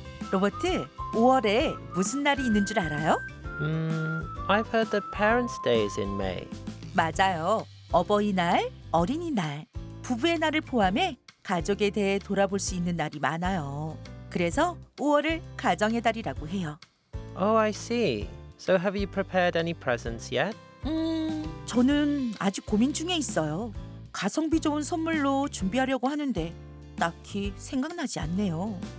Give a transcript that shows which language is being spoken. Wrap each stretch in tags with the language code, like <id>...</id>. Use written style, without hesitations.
<ko>로버트, 5월에 무슨 날이 있는 줄 알아요?</ko> <en>I've heard that Parents' Day is in May.</en> <ko>맞아요. 어버이날, 어린이날, 부부의 날을 포함해 가족에 대해 돌아볼 수 있는 날이 많아요. 그래서 5월을 가정의 달이라고 해요.</ko> <en>Oh, I see. So have you prepared any presents yet?</en> <ko>저는 아직 고민 중에 있어요. 가성비 좋은 선물로 준비하려고 하는데 딱히 생각나지 않네요.</ko>